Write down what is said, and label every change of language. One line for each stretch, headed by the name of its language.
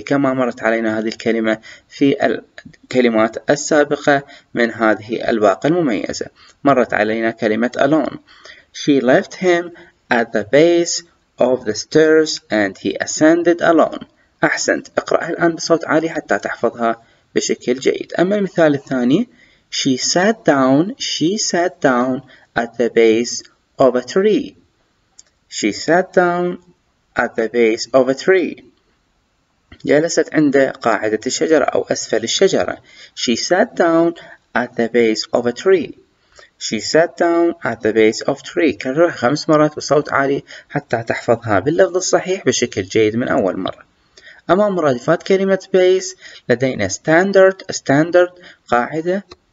Arabic: كما مرت علينا هذه الكلمة في الكلمات السابقة من هذه الباقة المميزة. مرت علينا كلمة alone.
English: She left him at the base of the stairs and he ascended alone.
Arabic: أحسنت. اقرأها الآن بصوت عالي حتى تحفظها بشكل جيد. أما المثال الثاني.
English: She sat down at the base of a tree. She sat down at the base of a tree.
Arabic: جلست عند قاعدة الشجرة أو أسفل الشجرة.
English: She sat down at the base of a tree. She sat down at the base of tree.
Arabic: كررها 5 مرات بصوت عالي حتى تحفظها باللفظ الصحيح بشكل جيد من أول مرة. أما مرادفات كلمة base، لدينا standard قاعدة.